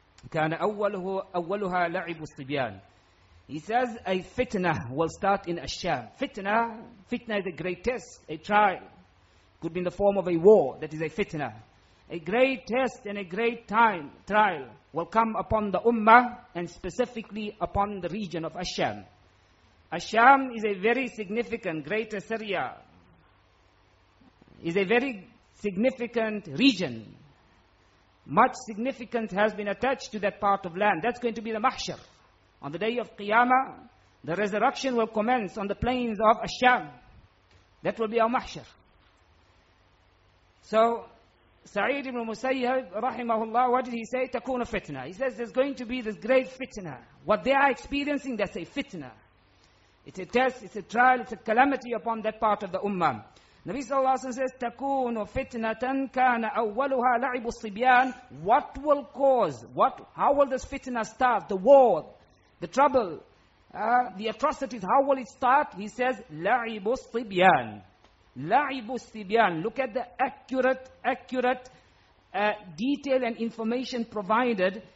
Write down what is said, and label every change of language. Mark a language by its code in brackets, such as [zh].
[ar] كان أوله أولها لعب الصبيان. [en] He says a fitna will start in Asham. Fitna is a great test, a trial. Could be in the form of a war. That is a fitna. A great test and a great time trial will come upon the Ummah and specifically upon the region of Asham. Asham is a very significant, greater Syria. Is a very significant region. Much significance has been attached to that part of land. That's going to be the mahshar. On the day of Qiyamah, the resurrection will commence on the plains of Asham. That will be our mahshar. So, Sa'id ibn Musayyib, rahimahullah, what did he say? Takuna fitna. He says there's going to be this great fitna. What they are experiencing, that's a fitna. It's a test, it's a trial, it's a calamity upon that part of the ummah. [ar] Nabi Sallallahu Alaihi Wasallam says, تَكُونُ فِتْنَةً كَانَ أَوَّلُهَا لَعِبُ الصِّبْيَانِ. [en] What will cause? How will this fitna start? The war, the trouble, the atrocities, how will it start? He says, [ar] لَعِبُ الصِّبْيَانِ. لَعِبُ الصِّبْيَانِ. [en] Look at the accurate detail and information provided.